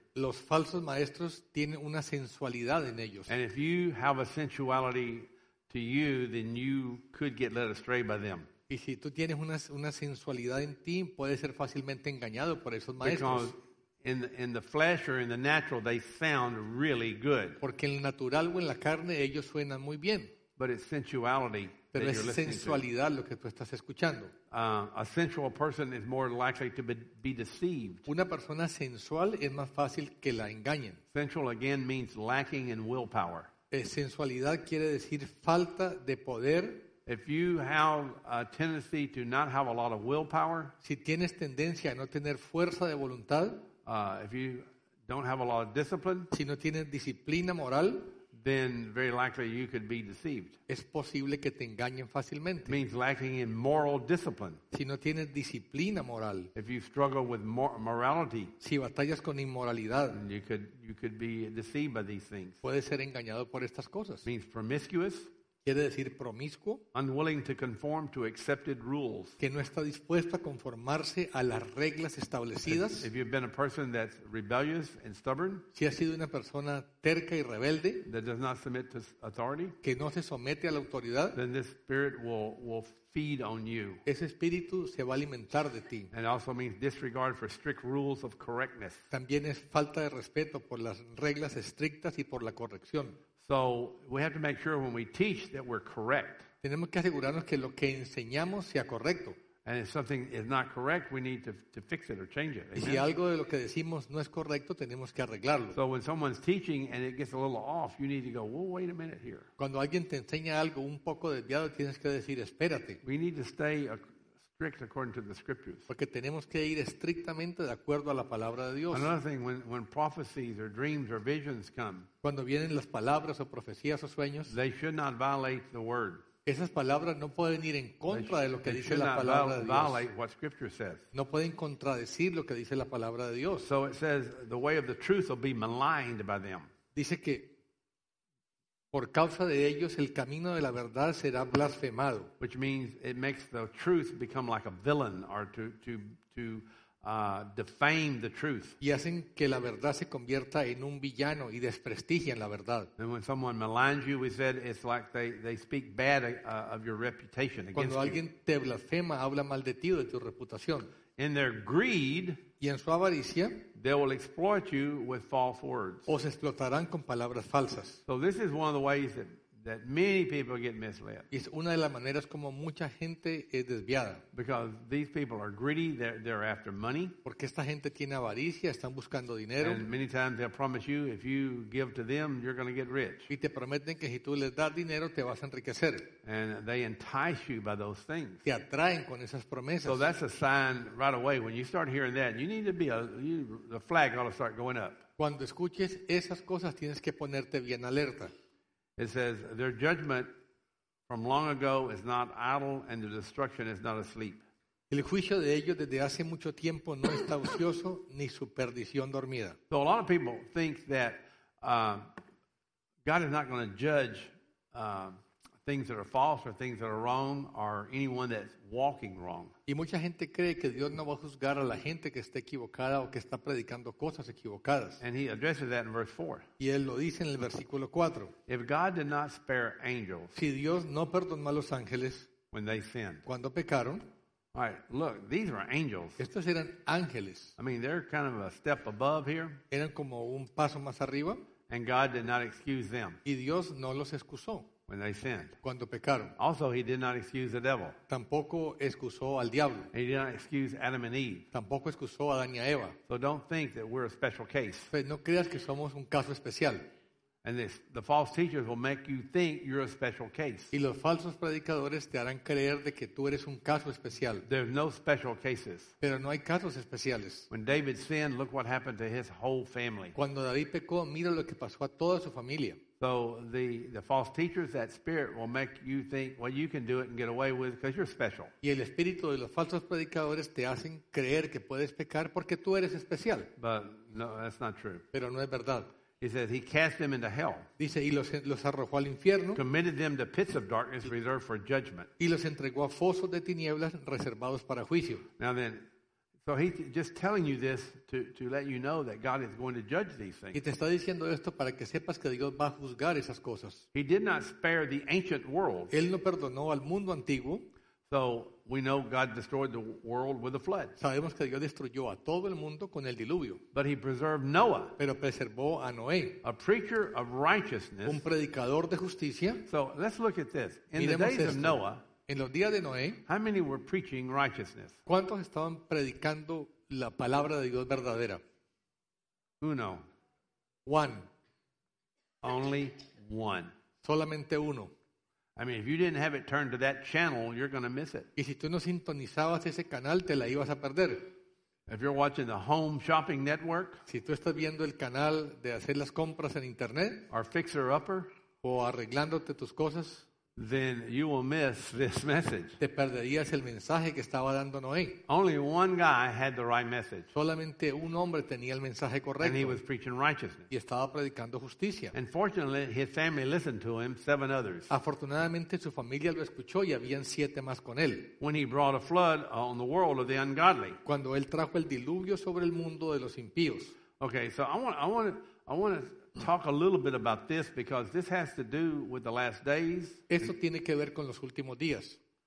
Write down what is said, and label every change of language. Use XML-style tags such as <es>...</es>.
<es>Los falsos maestros tienen una sensualidad en ellos.</es> <en>And if you have a sensuality to you, then you could get led astray by them.</en> <es>Y si tú tienes una sensualidad en ti, puedes ser fácilmente engañado por esos maestros.</es> <en>In the flesh or in the natural, they sound really good.</en> <es>Porque en el natural o en la carne, ellos suenan muy bien.</es> <en>But it's sensuality.</en> <es>Pero es sensualidad lo que tú estás escuchando.</es> <en>A sensual person is more likely to be deceived.</en> <es>Una persona sensual es más fácil que la engañen.</es> <en>Sensual again means lacking in willpower.</en> <es>Sensualidad quiere decir falta de poder.</es> <en>If you have a tendency to not have a lot of willpower,</en> <es>si tienes tendencia a no tener fuerza de voluntad,</es> <en>if you don't have a lot of discipline,</en> <es>si no tienes disciplina moral,</es> <en>then very likely you could be deceived.</en> <es>Es posible que te engañen fácilmente.</es> <en>It means lacking in moral discipline.</en> <es>Si no tienes disciplina moral.</es> <en>If you struggle with morality,</en> <es>si batallas con inmoralidad,</es> <en>you could be deceived by these things.</en> <es>Puedes ser engañado por estas cosas.</es> <en>It means promiscuous.</en> <es>Quiere decir promiscuo.</es> <en>Unwilling to conform to accepted rules.</en> <es>Que no está dispuesto a conformarse a las reglas establecidas.</es> <en>If you've been a person that's rebellious and stubborn,</en> <es>si has sido una persona terca y rebelde,</es> <en>that does not submit to authority,</en> <es>que no se somete a la autoridad,</es> <en>then this spirit will feed on you.</en> <es>Ese espíritu se va a alimentar de ti.</es> <en>And also means disregard for strict rules of correctness.</en> <es>También es falta de respeto por las reglas estrictas y por la corrección.</es> <en>So we have to make sure when we teach that we're correct.</en> <es>Tenemos que asegurarnos que lo que enseñamos sea correcto.</es> <en>And if something is not correct, we need to fix it or change it.</en> <es>Y si algo de lo que decimos no es correcto, tenemos que arreglarlo.</es> <en>So when someone's teaching and it gets a little off, you need to go, "Well, wait a minute here."</en> <es>Cuando alguien te enseña algo un poco desviado, tienes que decir, "Espérate."</es> <en>We need to stay strict according to the scriptures.</en> <es>Porque tenemos que ir estrictamente de acuerdo a la palabra de Dios.</es> <en>Another thing, when prophecies or dreams or visions come,</en> <es>cuando vienen las palabras o profecías o sueños,</es> <en>they should not violate the word.</en> <es>Esas palabras no pueden ir en contra de lo que dice la palabra de Dios.</es> <en>They should not violate what scripture says.</en> <es>No pueden contradecir lo que dice la palabra de Dios.</es> <en>So it says the way of the truth will be maligned by them.</en> <es>Dice que por causa de ellos el camino de la verdad será blasfemado.</es> <en>Which means it makes the truth become like a villain or to defame the truth.</en> <es>Y hacen que la verdad se convierta en un villano y desprestigian la verdad.</es> <en>And when someone maligns you, we said it's like they speak bad of your reputation against you.</en> <es>Cuando alguien te blasfema, habla mal de ti o de tu reputación.</es> <en>In their greed,</en> <es>y en su avaricia,</es> <en>they will exploit you with false words.</en> <es>Os explotarán con palabras falsas.</es> <en>So this is one of the ways that many people get misled.</en> <es>Es una de las maneras como mucha gente es desviada.</es> <en>Because these people are greedy, they're after money.</en> <es>Porque esta gente tiene avaricia, están buscando dinero.</es> <en>And many times they promise you if you give to them, you're going to get rich.</en> <es>Y te prometen que si tú les das dinero te vas a enriquecer.</es> <en>And they entice you by those things.</en> <es>Te atraen con esas promesas.</es> <en>So that's a sign right away when you start hearing that, you need to be the flag ought to start going up.</en> <es>Cuando escuches esas cosas tienes que ponerte bien alerta.</es> <en>It says, their judgment from long ago is not idle and their destruction is not asleep.</en> <es>El juicio de ellos desde hace mucho tiempo no está ocioso ni su perdición dormida.</es> <en>So a lot of people think that God is not going to judge things that are false or things that are wrong or anyone that's walking wrong.</en> <es>Y mucha gente cree que Dios no va a juzgar a la gente que esté equivocada o que está predicando cosas equivocadas.</es> <en>And he addresses that in verse 4.</en> <es>Y él lo dice en el versículo 4.</es> <en>If God did not spare angels,</en> <es>si Dios no perdonó a los ángeles,</es> <en>when they sinned,</en> <es>cuando pecaron.</es> <en>All right, look, these are angels.</en> <es>Estos eran ángeles.</es> <en>I mean, they're kind of a step above here.</en> <es>Eran como un paso más arriba.</es> <en>And God did not excuse them.</en> <es>Y Dios no los excusó.</es> <en>When they sinned.</en> <es>Cuando pecaron.</es> <en>Also, he did not excuse the devil.</en> <es>Tampoco excusó al diablo.</es> <en>He did not excuse Adam and Eve.</en> <es>Tampoco excusó a Adán y a Eva.</es> <en>So don't think that we're a special case.</en> <es>Pues no creas que somos un caso especial.</es> <en>And the false teachers will make you think you're a special case.</en> <es>Y los falsos predicadores te harán creer de que tú eres un caso especial.</es> <en>There's no special cases.</en> <es>Pero no hay casos especiales.</es> <en>When David sinned, look what happened to his whole family.</en> <es>Cuando David pecó, mira lo que pasó a toda su familia.</es> <en>So the false teachers, that spirit, will make you think, well, you can do it and get away with it because you're special.</en> <es>Y el espíritu de los falsos predicadores te hacen creer que puedes pecar porque tú eres especial.</es> <en>But no, that's not true.</en> <es>Pero no es verdad.</es> <en>He says he cast them into hell.</en> <es>Dice, y los arrojó al infierno.</es> <en>Committed them to pits of darkness reserved for judgment.</en> <es>Y los entregó a fosos de tinieblas reservados para juicio.</es> <en>Now then, so he's just telling you this to let you know that God is going to judge these things.</en> <es>Y te está diciendo esto para que sepas que Dios va a juzgar esas cosas.</es> <en>He did not spare the ancient world.</en> <es>Él no perdonó al mundo antiguo.</es> <en>So we know God destroyed the world with a flood.</en> <es>Sabemos que Dios destruyó a todo el mundo con el diluvio.</es> <en>But he preserved Noah.</en> <es>Pero preservó a Noé.</es> <en>A preacher of righteousness.</en> <es>Un predicador de justicia.</es> <en>So let's look at this. In</en> <es>Miremos</es> <en>the days</en> <es>esto.</es> <en>Of Noah,</en> <es>en los días de Noé,</es> <en>how many were preaching righteousness?</en> <es>¿Cuántos estaban predicando la palabra de Dios verdadera? Uno.</es> <en>One. Only one.</en> <es>Solamente uno.</es> <en>I mean, if you didn't have it turned to that channel, you're going to miss it.</en> <es>Y si tú no sintonizabas ese canal, te la ibas a perder.</es> <en>If you're watching the Home Shopping Network,</en> <es>si tú estás viendo el canal de hacer las compras en internet,</es> <en>or Fixer Upper,</en> <es>o arreglándote tus cosas,</es> <en>then you will miss this message.</en> <es>Te perderías el mensaje que estaba dando Noé.</es> <en>Only one guy had the right message.</en> <es>Solamente un hombre tenía el mensaje correcto.</es> <en>And he was preaching righteousness.</en> <es>Y estaba predicando justicia.</es> <en>And fortunately, his family listened to him, seven others.</en> <es>Afortunadamente, su familia lo escuchó y habían siete más con él.</es> <en>When he brought a flood on the world of the ungodly.</en> <es>Cuando él trajo el diluvio sobre el mundo de los impíos.</es> <en>Okay, so I want to talk a little bit about this because this has to do with the last days.</en> <es>Esto tiene que ver con los últimos días.</es>